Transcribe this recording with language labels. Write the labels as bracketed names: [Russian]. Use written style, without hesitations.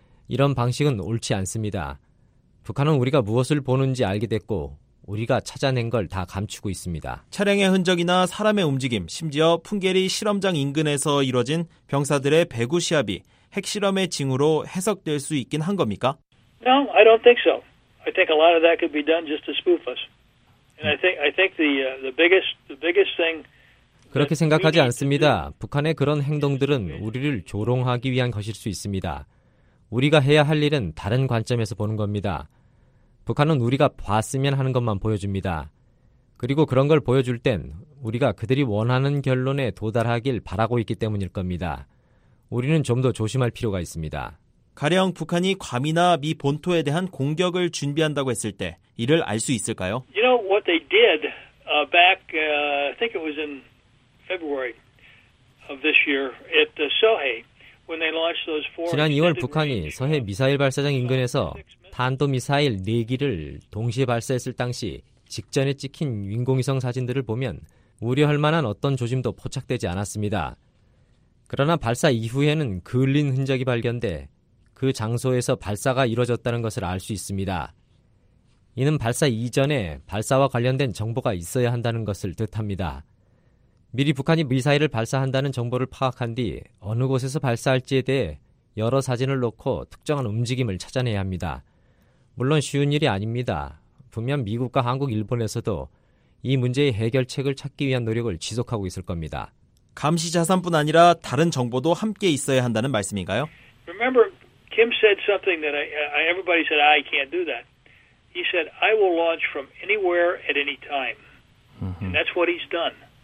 [Korean] 이런 방식은 옳지 않습니다. 북한은 우리가 무엇을 보는지 알게 됐고 우리가 찾아낸 걸 다 감추고 있습니다. 차량의 흔적이나 사람의 움직임, 심지어 풍계리 실험장 인근에서 이뤄진 병사들의 배구 시합이 핵실험의 징후로 해석될 수 있긴 한 겁니까? [English] No, I don't think so. I think a lot of that could be done just to spoof us. And I think the biggest thing [Korean] 그렇게 생각하지 않습니다. 북한의 그런 행동들은 우리를 조롱하기 위한 것일 수 있습니다. 우리가 해야 할 일은 다른 관점에서 보는 겁니다. 북한은 우리가 봤으면 하는 것만 보여줍니다. 그리고 그런 걸 보여줄 땐 우리가 그들이 원하는 결론에 도달하길 바라고 있기 때문일 겁니다. 우리는 좀 더 조심할 필요가 있습니다. 가령 북한이 괌이나 미 본토에 대한 공격을 준비한다고 했을 때 이를 알 수 있을까요? [English] You know what they did back I think it was in February of this year at the Sohae when they launched those four [Korean] 지난 2월 북한이 서해 미사일 발사장 인근에서 탄도 미사일 4기를 동시에 발사했을 당시 직전에 찍힌 인공위성 사진들을 보면 우려할 만한 어떤 조짐도 포착되지 않았습니다. 그러나 발사 이후에는 그을린 흔적이 발견돼 그 장소에서 발사가 이루어졌다는 것을 알 수 있습니다. 이는 발사 이전에 발사와 관련된 정보가 있어야 한다는 것을 뜻합니다. 미리 북한이 미사일을 발사한다는 정보를 파악한 뒤 어느 곳에서 발사할지에 대해 여러 사진을 놓고 특정한 움직임을 찾아내야 합니다. 물론 쉬운 일이 아닙니다. 분명 미국과 한국, 일본에서도 이 문제의 해결책을 찾기 위한 노력을 지속하고 있을 겁니다. 감시 자산뿐 아니라 다른 정보도 함께 있어야 한다는 말씀인가요? [English] Remember, Kim said something that everybody said I can't do that. He said I will launch from anywhere at any time, and that's what he's done.